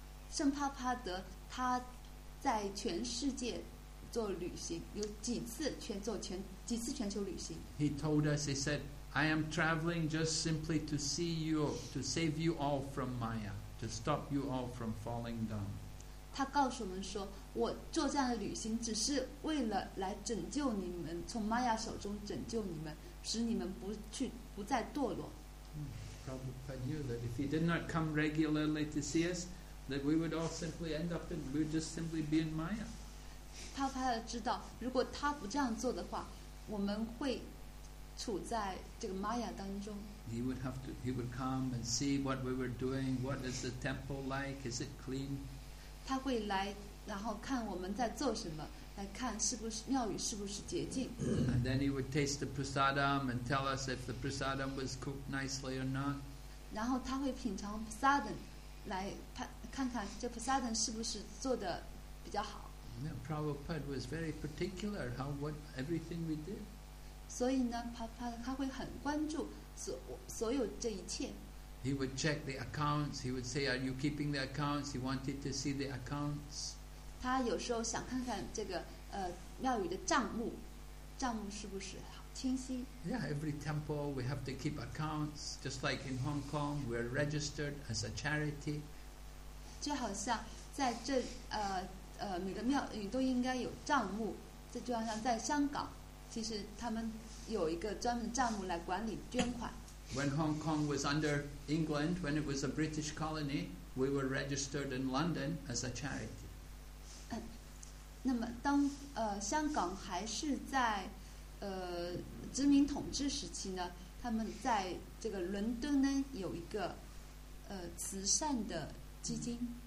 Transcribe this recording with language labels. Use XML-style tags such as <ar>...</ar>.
<zh>圣帕帕德他在全世界做旅行，有几次几次全球旅行。</zh> <en>He told us, he said, I am traveling just simply to see you, to save you all from Maya, to stop you all from falling down.</en> <zh>他告诉我们说，我做这样的旅行只是为了来拯救你们，从 Maya 手中拯救你们，使你们不再堕落。</zh> <en>Prabhupada knew that if he did not come regularly to see us, that we would all simply end up in, we would just simply be in Maya.</en> <zh>帕帕德知道，如果他不这样做的话，我们会处在这个玛雅当中。</zh> <en>He would come and see what we were doing. What is the temple like? Is it clean?</en> <zh>他会来，然后看我们在做什么，来看是不是庙宇是不是洁净。</zh> <en>And then he would taste the prasadam and tell us if the prasadam was cooked nicely or not.</en> <zh>然后他会品尝 prasadam， 来看看这 prasadam 是不是做的比较好。</zh> <en>Yeah, Prabhupada was very particular how what everything we did.</en> <zh>所以呢，他会很关注所有这一切。</zh> <en>He would check the accounts. He would say, "Are you keeping the accounts?" He wanted to see the accounts.</en> <zh>他有时候想看看这个庙宇的账目是不是清晰。</zh> <en>Yeah, every temple we have to keep accounts, just like in Hong Kong, we're registered as a charity.</en> <zh>就好像在这每个庙宇都应该有账目，这就好像在香港，其实他们有一个专门账目来管理捐款。</zh> <en>When Hong Kong was under England, when it was a British colony, we were registered in London as a charity.</en> <zh>那么当香港还是在殖民统治时期呢，他们在这个伦敦呢有一个慈善的基金。</zh>